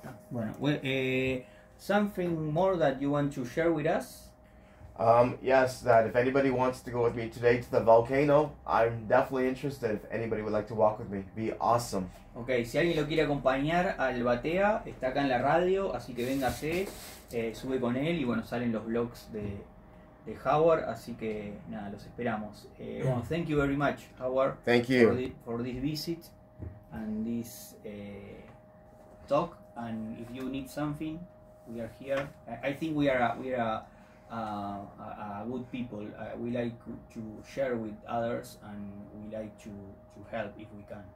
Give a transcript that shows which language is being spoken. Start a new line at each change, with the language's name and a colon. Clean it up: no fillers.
Spanish: Bueno,
English: something more that you want to share with us? Yes, that if anybody wants to go with me today to the volcano, I'm definitely interested. If anybody would like to walk with me, be awesome.
Spanish: Okay, si alguien lo quiere acompañar al Batea, está acá en la radio, así que véngase, sube con él y bueno, salen los vlogs de Howard, así que nada, los esperamos.
English: Well, thank you very much, Howard. Thank you. For this visit and this talk, and if you need something, we are here. I think we are a good people. We like to share with others and we like to help if we can.